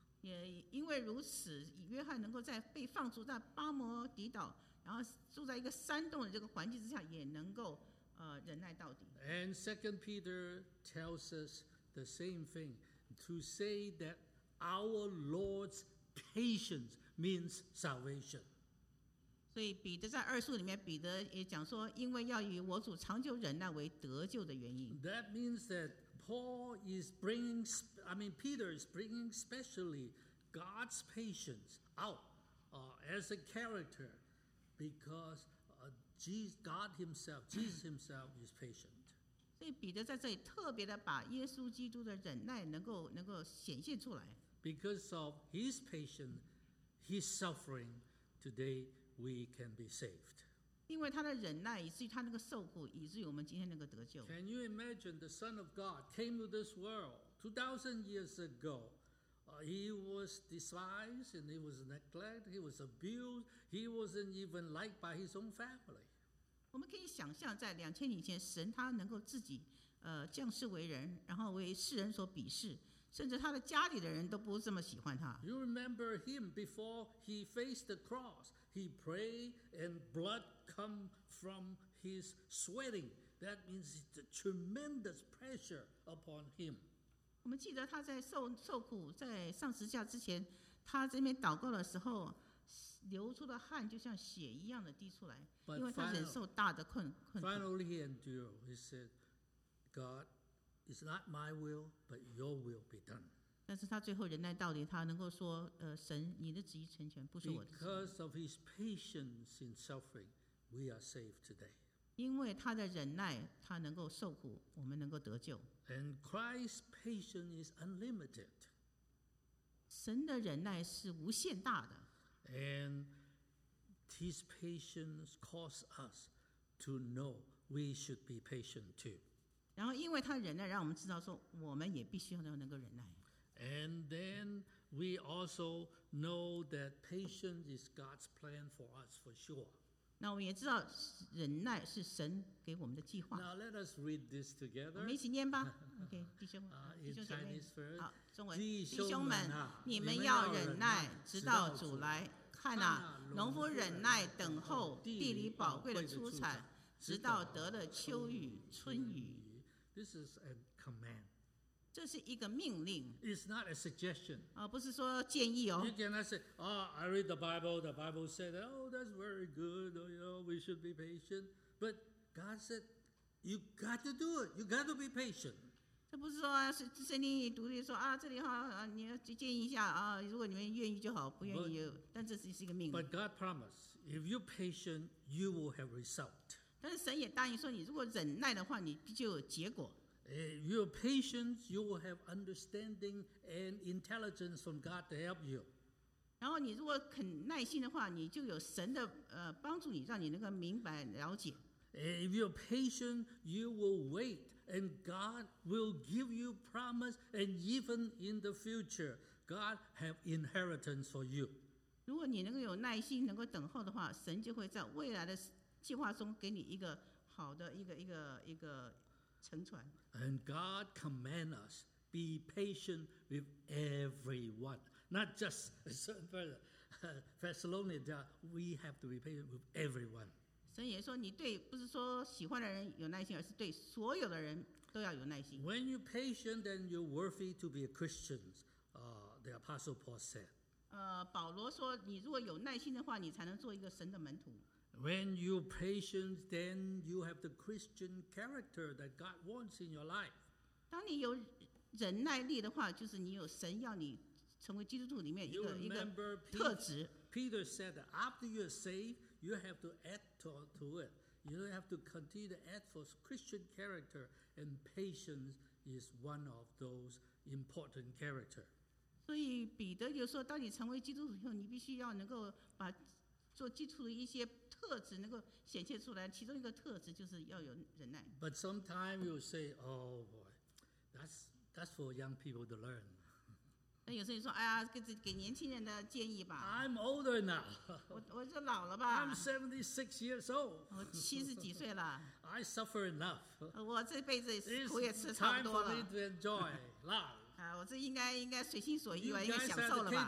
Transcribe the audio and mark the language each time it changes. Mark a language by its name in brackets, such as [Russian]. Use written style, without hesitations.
[Chinese] 也因为如此，约翰能够在被放逐在巴摩底岛，然后住在一个山洞的这个环境之下，也能够。忍耐到底。 [English] And Second Peter tells us the same thing, to say that our Lord's patience means salvation. [Chinese] 所以彼得在二书里面，彼得也讲说，因为要以我主长久忍耐为得救的原因。 [English] That means that Paul is bringing, I mean Peter is bringing specially God's patience out, as a character, because God Himself, Jesus Himself is patient. [Chinese] 所以彼得在这里特别的把耶稣基督的忍耐能够显现出来。 [English] Because of His patience, His suffering today. We can be saved. [Chinese] 因为他的忍耐，以至于他那个受苦，以至于我们今天能够得救。 [English] Can you imagine the Son of God came to this world 2,000 years ago? He was despised and he was neglected. He was abused. He wasn't even liked by his own family. [Chinese] 我们可以想象，在两千年前，神他能够自己降世为人，然后为世人所鄙视。甚至他的家里的人都不这么喜欢他。 [English] You remember him before he faced the cross. He prayed and blood come from his sweating. That means it's a tremendous pressure upon him. [Chinese] 我们记得他在 受苦在上十字架之前，他这边祷告的时候，流出的汗就像血一样的滴出来，因为他忍受大的困苦。 [English] Finally he endured. He said, God,It's not my will, but your will be done. [Chinese] 但是他最后忍耐到底，他能够说，神，你的旨意成全，不是我的旨意。 [English] Because of his patience in suffering, we are saved today. [Chinese] 因为他的忍耐，他能够受苦，我们能够得救。 [English] And Christ's patience is unlimited. [Chinese] 神的忍耐是无限大的。 [English] And his patience causes us to know we should be patient too. [Chinese] 然后因为他忍耐让我们知道说我们也必须要能够忍耐。 [English] And then we also know that patience is God's plan for us for sure. [Chinese] 那我们也知道忍耐是神给我们的计划。 [English] Now let us read this together. [Chinese] 我们一起念吧。OK, 弟兄们。弟兄姐妹。好，中文。弟兄们，你们要忍耐直到主来。看啊，农夫忍耐等候地里宝贵的出产。直到得了秋雨春雨。 [English] This is a command. [Chinese] 这是一个命令。 [English] It's not a suggestion. [Chinese] 不是说建议哦。 [English] You cannot say, oh, I read the Bible said, oh, that's very good, oh, you know, we should be patient. But God said, you got to do it, you got to be patient. [Chinese] 这不是说圣经读的说啊，这里哈，你要去建议一下啊，如果你们愿意就好，不愿意，但这是一个命令。 [English] But God promised, if you're patient, you will have result. [Chinese] 但是神也答应说，你如果忍耐的话，你就有结果。 [English] Your patience, you will have understanding and intelligence from God to help you. [Chinese] 然后你如果肯耐心的话，你就有神的帮助你，让你能够明白了解。 [English] If you're patient, you will wait, and God will give you promise, and even in the future, God have inheritance for you. [Chinese] 如果你能够有耐心，能够等候的话，神就会在未来的。计划中给你一个好的一个乘船。 [English] And God command us be patient with everyone, not just a certain person. Thessalonians, we have to be patient with everyone. [Chinese] 神也说，你对不是说喜欢的人有耐心，而是对所有的人都要有耐心。 [English] When you patient, then you're worthy to be a Christian. The Apostle Paul said. [Chinese] 保罗说，你如果有耐心的话，你才能做一个神的门徒。 [English] When you're patient, then you have the Christian character that God wants in your life. [Chinese] 当你有忍耐力的话，就是你有神要你成为基督徒里面一个特质。 [English] Peter said that after you're saved, you have to add to it. You have to continue to add for Christian character, and patience is one of those important character. [Chinese] 所以彼得就说，当你成为基督徒以后，你必须要能够把做基础的一些特质能够显现出来，其中一个特质就是要有忍耐。 [English] But sometimes you say, "Oh boy, that's for young people to learn." [Chinese] 那有时候你说，哎呀，给年轻人的建议吧。 [English] I'm older now. [Chinese] 我就老了吧。 [English] I'm 76 years old. [Chinese] 我七十几岁了。 [English] I suffer enough. [Chinese] 我这辈子苦也吃差不多了。 [English] It's time for me to enjoy life. [Chinese] 我这应该随心所欲吧，应该享受了吧。